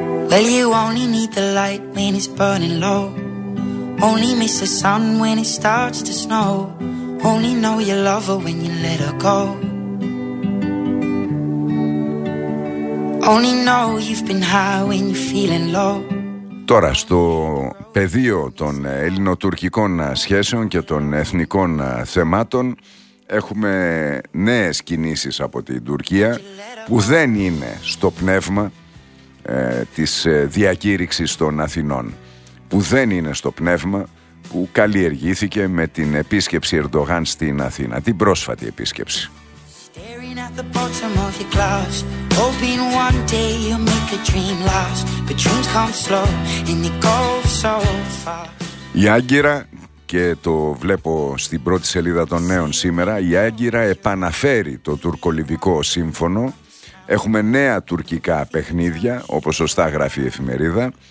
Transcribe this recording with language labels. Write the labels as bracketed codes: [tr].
[en] Well, you only need the light when it's burning low. Only miss the sun when it starts to snow. Only know you love her when you let her go. Only know you've been high when you're feeling low. [el] Τώρα, στο πεδίο των ελληνοτουρκικών σχέσεων και των εθνικών θεμάτων έχουμε νέες κινήσεις από την Τουρκία που δεν είναι στο πνεύμα της διακήρυξης των Αθηνών, που δεν είναι στο πνεύμα που καλλιεργήθηκε με την επίσκεψη Ερντογάν στην Αθήνα, την πρόσφατη επίσκεψη. [en] At the bottom of your glass, hoping one day you'll make a dream last. But dreams come slow and they go so fast. [el] Η Άγκυρα, και το βλέπω στην πρώτη σελίδα των νέων σήμερα, η Άγκυρα επαναφέρει το τουρκολιβικό σύμφωνο. Έχουμε νέα τουρκικά παιχνίδια, όπως σωστά γράφει η εφημερίδα.